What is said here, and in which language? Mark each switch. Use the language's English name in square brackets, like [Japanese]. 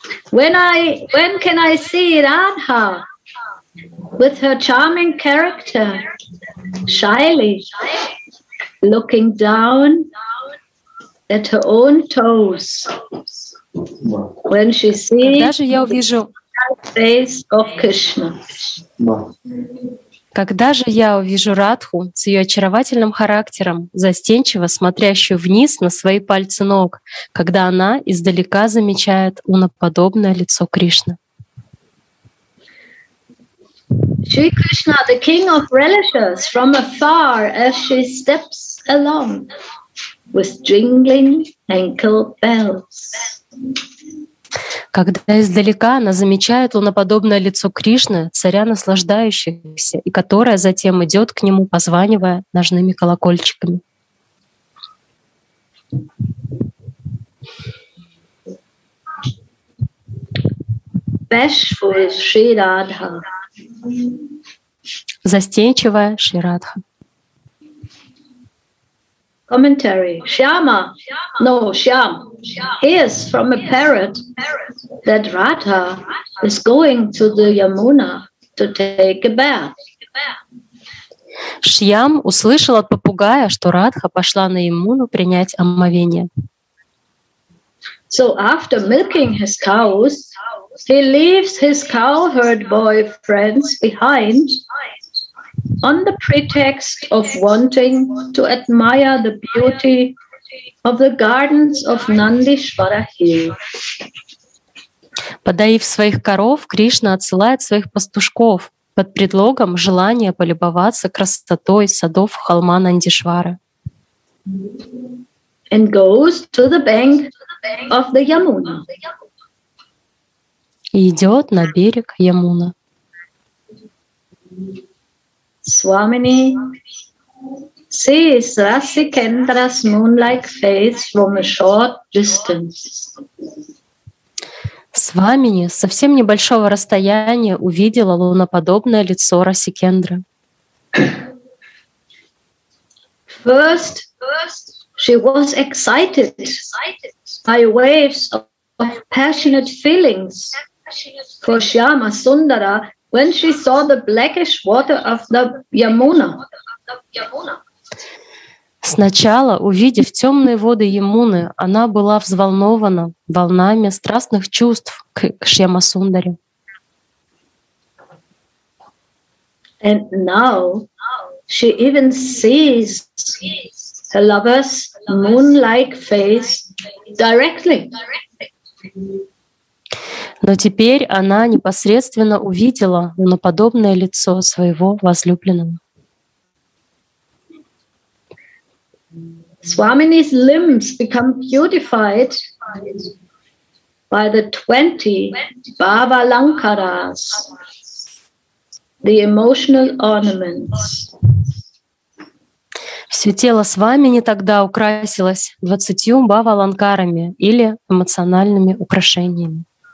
[English] When can I see Radha with her charming character, shyly looking down at her own toes, when she sees the face of Krishna? [Russian] Когда же я увижу Радху с ее очаровательным характером, застенчиво смотрящую вниз на свои пальцы ног, когда она издалека замечает уноподобное лицо Кришны? [English] Shri Krishna, the king of relishes, from afar as she steps along with jingling ankle bells. [Russian] Когда издалека она замечает луноподобное лицо Кришны, царя наслаждающихся, и которая затем идет к нему, позванивая ножными колокольчиками. [English] Bashful Shri Radha. [Russian] Застенчивая Шри Радха. [English] commentary. Shyama. No, Shyam. Hears from a parrot that Radha is going to the Yamuna to take a bath. [Russian] Шьям услышал от попугая, что Радха пошла на Ямуну принять омовение. [English] So after milking his cows, he leaves his cowherd boyfriends behind on the pretext of wanting to admire the beauty of the gardens of Nandishvara Hill. [Russian] Подоив своих коров, Кришна отсылает своих пастушков под предлогом желания полюбоваться красотой садов холма Нандишвара. [English] And goes to the bank of the Yamuna. [Russian] И идет на берег Ямуна. [English] Swamini sees Rasikendra's moon-like face from a short distance. [Russian] Свамини совсем небольшого расстояния увидела луноподобное лицо Расикендры. [English] First, she was excited by waves of passionate feelings for Shyama Sundara when she saw the blackish water of the Yamuna. [Russian] Сначала, увидев темные воды Ямуны, она была взволнована волнами страстных чувств к Шьямасундаре. [English] And now she even sees her lover's moon-like face directly. [Russian] Но теперь она непосредственно увидела луноподобное лицо своего возлюбленного. [English] Swamini's limbs become beautified by the 20 Bhava Lankaras, the emotional ornaments. [Russian] Все тело Свамини тогда украсилось 20 Бхава Ланкарами или эмоциональными украшениями.